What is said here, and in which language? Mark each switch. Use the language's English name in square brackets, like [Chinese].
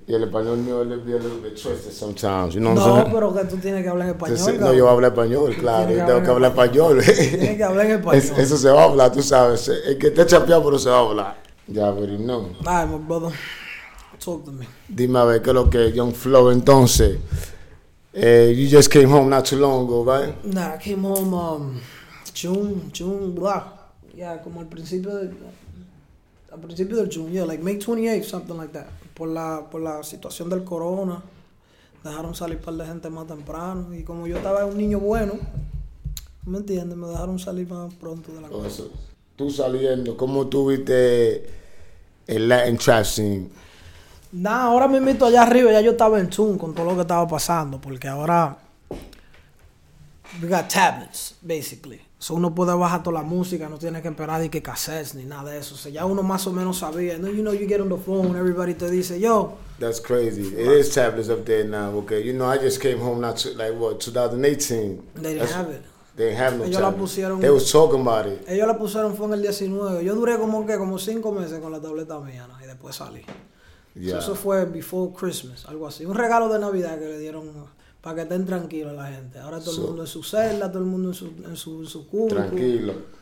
[Spanish] Y el español mío le pide [English] a little bit twisted sometimes. You know [Spanish] no, [English] what I'm [Spanish] pero que tú tienes que hablar en español. Entonces, no, yo hablo español, claro. Yo tengo que hablar español. Tienes que hablar en español. Eso se va a hablar, tú sabes. Es que te chapeado, pero se va a hablar. Ya, pero no. [English] Ay, my brother. Talk to me. [Spanish] Dime a ver qué es lo que es Young Flow, entonces. [English] You just came home not too long ago, right? Nah, I came home June. Yeah, [Spanish] como al principio del [English] June. Yeah, like May 28th, something like that. [Spanish] Por la situación del corona, dejaron salir para la gente más temprano. Y como yo estaba un niño bueno, ¿me entiendes? Me dejaron salir más pronto de la cosa. Eso. Tú saliendo, ¿cómo tuviste el Latin trap scene? Nah, ahora mismito allá arriba, ya yo estaba en tune con todo lo que estaba pasando. Porque ahora, [English] we got tablets, basically. [Spanish] So uno puede bajar toda la música, no tiene que esperar ni que cassettes ni nada de eso. O sea, ya uno más o menos sabía. [English] No, you know, you get on the phone, everybody [Spanish] te dice, [English] yo. That's crazy. It is tablets up there now. Okay, you know, I just came home not to, like, what, 2018. They didn't have no tablets. They was talking about it. [Spanish] Ellos la pusieron fue en el 19. Yo duré como que, como 5 meses con la tableta mía, ¿no? Y después salí. Yeah. So, eso fue [English] before Christmas, [Spanish] algo así. Un regalo de Navidad que le dieron... Para que estén tranquilos la gente. Ahora todo el mundo en su celda, todo el mundo en su cubo. Tranquilo.